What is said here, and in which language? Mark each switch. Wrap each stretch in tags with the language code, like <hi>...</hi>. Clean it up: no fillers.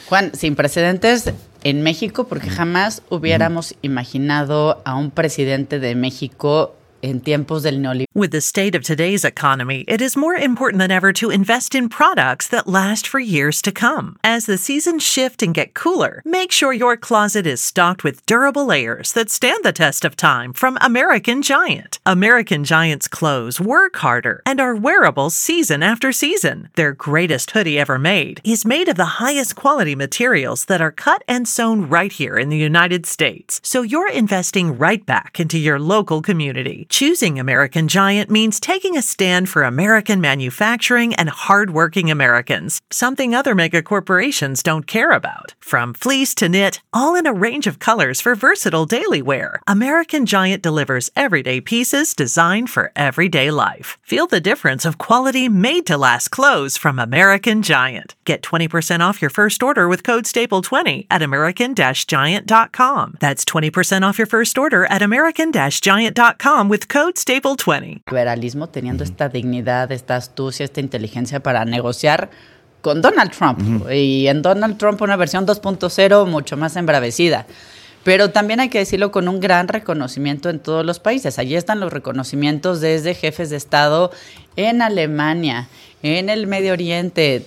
<es>Juan, sin precedentes en México, porque jamás hubiéramos imaginado a un presidente de México en tiempos del neoliberalismo.</es> <en>With the state of today's economy, it is more important than ever to invest in products that last for years to come. As the seasons shift and get cooler, make sure your closet is stocked with durable layers that stand the test of time from American Giant. American Giant's clothes work harder and are wearable season after season. Their greatest hoodie ever made is made of the highest quality materials that are cut and sewn right here in the United States. So you're investing right back into your local community. Choosing American Giant means taking a stand for American manufacturing and hardworking Americans, something other mega corporations don't care about. From fleece to knit, all in a range of colors for versatile daily wear, American Giant delivers everyday pieces designed for everyday life. Feel the difference of quality made-to-last clothes from American Giant. Get 20% off your first order with code STAPLE20 at American-Giant.com. That's 20% off your first order at American-Giant.com with code STAPLE20.</en> <es>Liberalismo teniendo esta dignidad, esta astucia, esta inteligencia para negociar con Donald Trump. Y en Donald Trump una versión 2.0 mucho más embravecida. Pero también hay que decirlo con un gran reconocimiento en todos los países. Allí están los reconocimientos desde jefes de Estado en Alemania, en el Medio Oriente.</es>